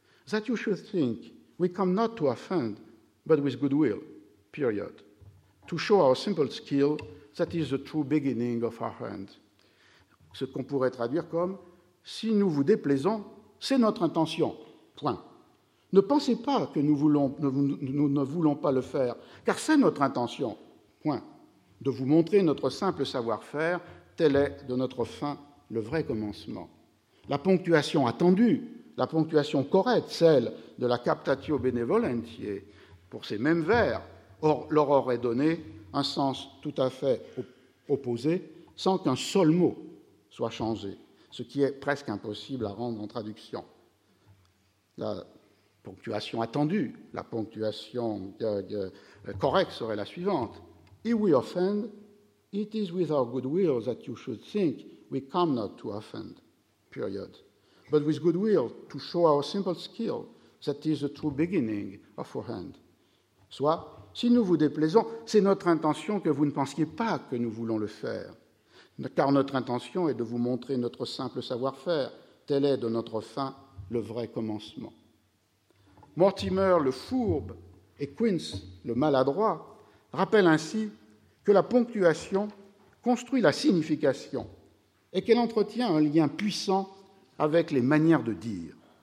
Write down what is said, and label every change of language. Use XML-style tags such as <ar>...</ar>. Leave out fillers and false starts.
<en>That you should think we come not to offend, but with goodwill. Period. To show our simple skill, that is the true beginning of our hand.</en> <fr>» Ce qu'on pourrait traduire comme « Si nous vous déplaisons, c'est notre intention. » Point. Ne pensez pas que nous ne voulons pas le faire, car c'est notre intention. Point. De vous montrer notre simple savoir-faire, tel est de notre fin le vrai commencement. La ponctuation attendue, la ponctuation correcte, celle de la captatio benevolentiae, pour ces mêmes vers, leur aurait donné un sens tout à fait opposé, sans qu'un seul mot soit changé, ce qui est presque impossible à rendre en traduction. La ponctuation attendue, la ponctuation correcte serait la suivante.</fr> <en>If we offend, it is with our goodwill that you should think we come not to offend, period. But with goodwill, to show our simple skill, that is the true beginning of our hand.</en> <fr>Soit, si nous vous déplaisons, c'est notre intention que vous ne pensiez pas que nous voulons le faire, car notre intention est de vous montrer notre simple savoir-faire. Tel est de notre fin le vrai commencement. Mortimer le fourbe et Quince le maladroit rappellent ainsi que la ponctuation construit la signification et qu'elle entretient un lien puissant avec les manières de dire.</fr>